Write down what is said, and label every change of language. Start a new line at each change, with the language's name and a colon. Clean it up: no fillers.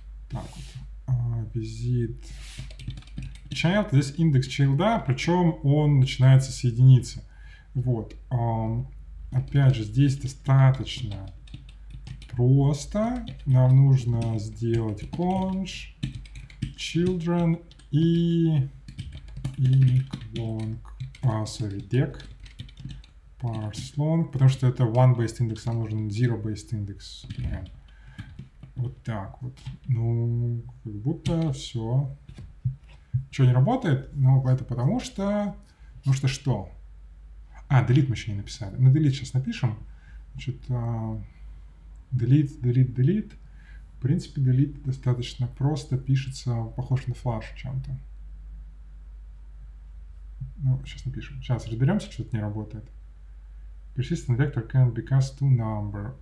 Russian: Так вот, visit child, здесь индекс child, причем он начинается с единицы. Вот, опять же, здесь достаточно просто. Нам нужно сделать conch children и ink long, sorry, deck parse long, потому что это one based index, нам нужен zero based index. Вот так вот. Ну, как будто все. Что, не работает? Ну, это потому что... Потому что что? А, delete мы еще не написали. Ну, delete сейчас напишем. Значит, Delete. В принципе, delete достаточно просто пишется, похож на flash чем-то. Ну, сейчас напишем. Сейчас разберемся, что-то не работает.
English: Persistent vector can be cast to number.